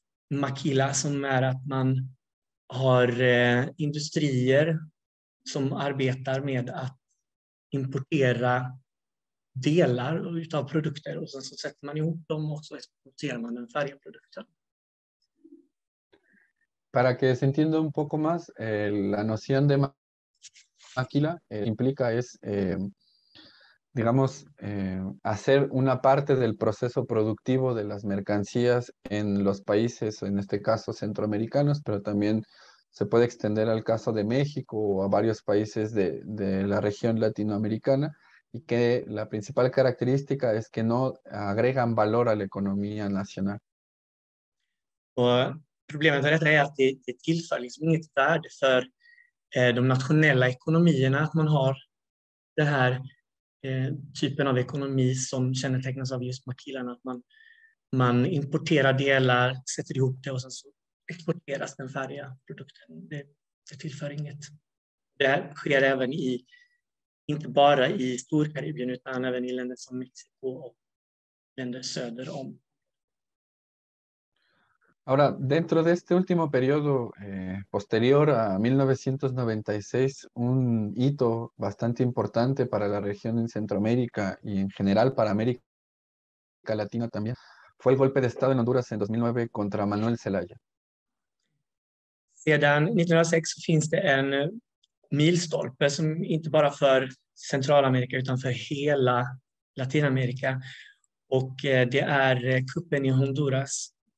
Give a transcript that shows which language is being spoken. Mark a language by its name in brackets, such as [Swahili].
[Swedish] maquila som är att man har industrier som arbetar med att importera delar utav produkter och sen så sätter man ihop dem och så exporterar man den färdiga produkten. [Spanish] Para que se entienda un poco más, la noción de maquila implica es, digamos, hacer una parte del proceso productivo de las mercancías en los países, en este caso centroamericanos, pero también se puede extender al caso de México o a varios países de la región latinoamericana, y que la principal característica es que no agregan valor a la economía nacional. [Swedish] Problemet med detta är att det tillför liksom inget värde för de nationella ekonomierna att man har den här typen av ekonomi som kännetecknas av just maquilan, att man importerar delar, sätter ihop det och sen så exporteras den färdiga produkten. Det tillför inget. Det sker även i, inte bara i Storkaribien utan även i länder som Mexiko och länder söder om. [Spanish] Ahora, dentro de este último periodo posterior a 1996, un hito bastante importante para la región en Centroamérica y en general para América Latina también, fue el golpe de Estado en Honduras en 2009 contra Manuel Zelaya. [Swedish] Sedan 1906 finns det en milstolpe som inte bara för Centralamerika utan för hela Latinamerika, och det är kuppen i Honduras.